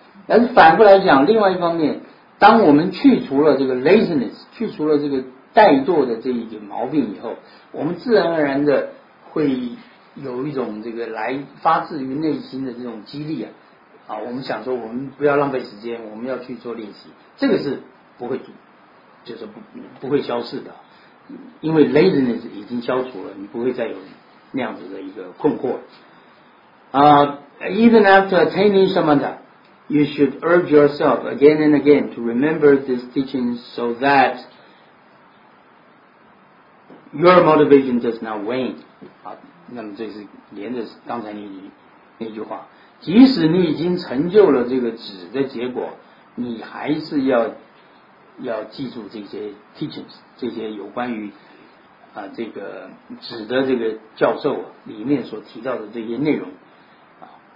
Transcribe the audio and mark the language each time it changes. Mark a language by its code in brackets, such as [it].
[zh] 但是反过来讲，另外一方面，当我们去除了这个 laziness， 去除了这个怠惰的这一个毛病以后，我们自然而然的会有一种这个来发自于内心的这种激励啊，啊，我们想说我们不要浪费时间，我们要去做练习，这个是不会就是不会消失的，因为 laziness 已经消除了，你不会再有那样子的一个困惑。 [en] Even after attaining samatha, you should urge yourself again and again to remember this teaching so that your motivation does not wane. [zh] 好，那么这是连着刚才那句话，即使你已经成就了这个止的结果，你还是要记住这些 teachings， 这些有关于这个指的这个教授里面所提到的这些内容啊。